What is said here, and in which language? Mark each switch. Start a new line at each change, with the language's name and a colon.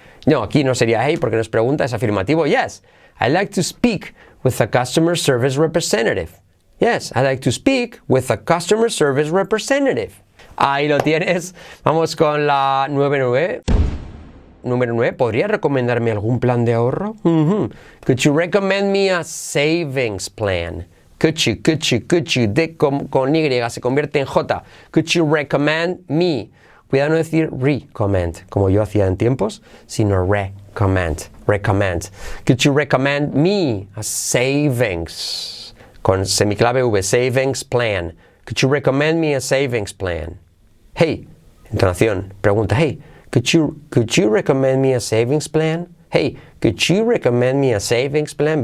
Spanish: No, aquí no sería hey porque nos pregunta, es afirmativo.
English: Yes, I'd like to speak with a customer service representative. Yes, I'd like to speak with a customer service representative.
Spanish: Ahí lo tienes. Vamos con la 9-9. Número 9. ¿Podría recomendarme algún plan de ahorro?
English: Mm-hmm. Could you recommend me a savings plan? Could you.
Spanish: D con Y se convierte en J.
English: Could you recommend me?
Spanish: Cuidado no decir recommend, como yo hacía en tiempos, sino recommend.
English: Recommend. Could you recommend me a savings?
Spanish: Con semiclave V.
English: Savings plan. Could you recommend me a savings plan? Hey, entonación, pregunta, hey, could you recommend me a savings plan? Hey, could you recommend me a savings plan?